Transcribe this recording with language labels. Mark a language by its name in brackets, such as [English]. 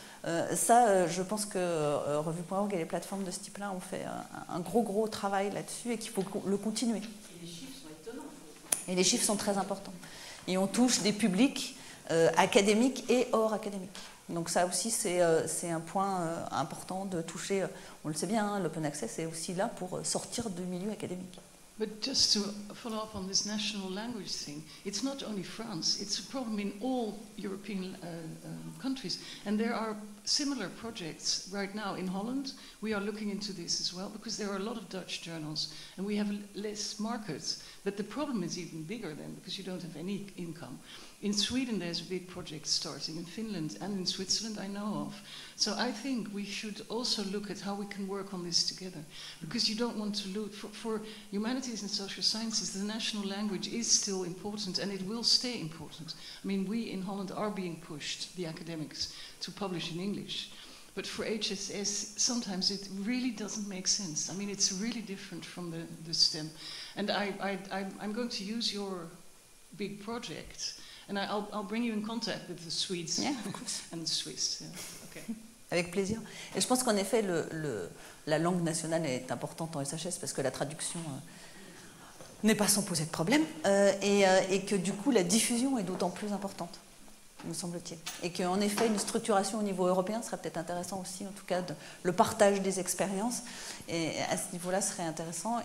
[French] Je pense que Revue.org et les plateformes de ce type-là ont fait un gros travail là-dessus et qu'il faut le continuer. Et les chiffres sont étonnants. Et les chiffres sont très importants. Et on touche des publics académiques et hors académiques. Donc ça aussi, c'est un point important de toucher. On le sait bien, hein, l'open access est aussi là pour sortir du milieu académique. [English] But just to follow up on this national language thing, it's not only France, it's a problem in all European countries. And there are similar projects right now in Holland. We are looking into this as well, because there are a lot of Dutch journals, and we have less markets. But the problem is even bigger then, because you don't have any income. In Sweden, there's a big project starting, in Finland and in Switzerland, I know of. So I think we should also look at how we can work on this together, because you don't want to lose, for humanities and social sciences, the national language is still important, and it will stay important. I mean, we in Holland are being pushed, the academics, to publish in English. But for HSS, sometimes it really doesn't make sense. I mean, it's really different from the STEM. And I'm going to use your big project, and I'll bring you in contact with the Swedes, yeah, of course. And the Swiss. Yeah. Okay. [French] Avec plaisir. Et je pense qu'en effet, la langue nationale est importante en SHS parce que la traduction n'est pas sans poser de problème et que du coup, la diffusion est d'autant plus importante, me semble-t-il. Et qu'en effet, une structuration au niveau européen serait peut-être intéressant aussi, en tout cas, le partage des expériences et à ce niveau-là serait intéressant.